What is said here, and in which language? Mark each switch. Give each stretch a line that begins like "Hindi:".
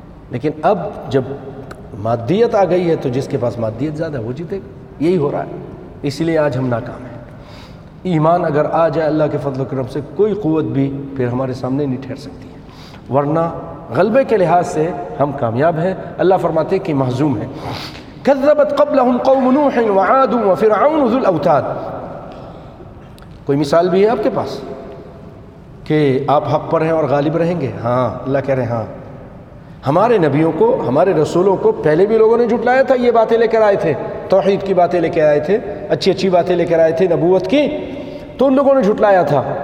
Urdu: لیکن اب جب مادیت آ گئی ہے, تو جس کے پاس مادیت زیادہ ہے وہ جیتے گا. یہی ہو رہا ہے, اس لیے آج ہم ناکام ہیں. ایمان اگر آ جائے اللہ کے فضل و کرم سے, کوئی قوت بھی پھر ہمارے سامنے نہیں ٹھہر سکتی ہے. ورنہ غلبے کے لحاظ سے ہم کامیاب ہیں. اللہ فرماتے کہ محزوم ہیں.
Arabic: کذبت قبلہم قوم نوح وعاد وفرعون ذو الاوتاد.
Urdu: کوئی مثال بھی ہے آپ کے پاس کہ آپ حق پر ہیں اور غالب رہیں گے؟ ہاں, اللہ کہہ رہے ہیں ہاں. ہمارے نبیوں کو, ہمارے رسولوں کو پہلے بھی لوگوں نے جھٹلایا تھا, یہ باتیں لے کر آئے تھے, توحید کی باتیں لے کر آئے تھے, اچھی اچھی باتیں لے کر آئے تھے نبوت کی, تو ان لوگوں نے جھٹلایا تھا.